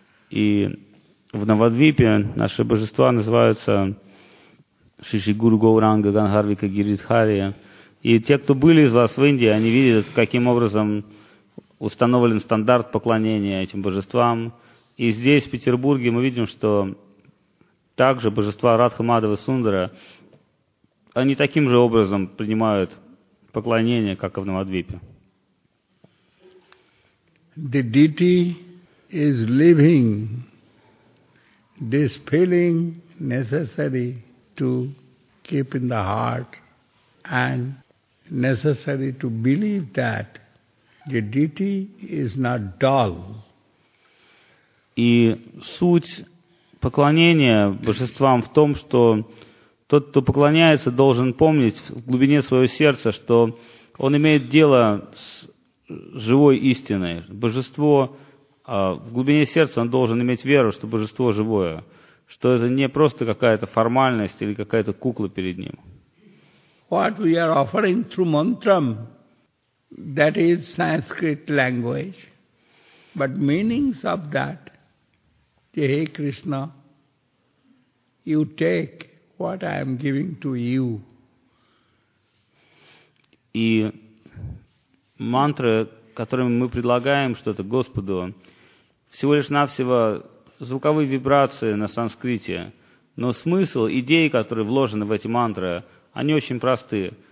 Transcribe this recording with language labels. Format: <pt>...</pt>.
<ru>И в Навадвипе наши божества называются Шри Шри Гуру Гауранга Гандхарвика Гиридхари. И те, кто были из вас в Индии, они видят, каким образом установлен стандарт поклонения этим божествам. И здесь, в Петербурге, мы видим, что также божества Радха Мадхава Сундара, они таким же образом принимают поклонение, как и в Навадвипе.</ru> <en>The deity is living this feeling necessary to keep in the heart and necessary to believe that the deity is not dull.</en> <ru>И суть поклонения божествам в том, что тот, кто поклоняется, должен помнить в глубине своего сердца, что он имеет дело с живой истиной. Божество в глубине сердца, он должен иметь веру, что божество живое, что это не просто какая-то формальность или какая-то кукла перед ним.</ru> <en>What we are offering through mantram, that is Sanskrit language, but meanings of that, Jai Krishna, you take what I am giving to you.</en> <ru>И мантры, которыми мы предлагаем что-то Господу, всего лишь навсего звуковые вибрации на санскрите, но смысл, идеи, которые вложены в эти мантры, они очень просты.</ru>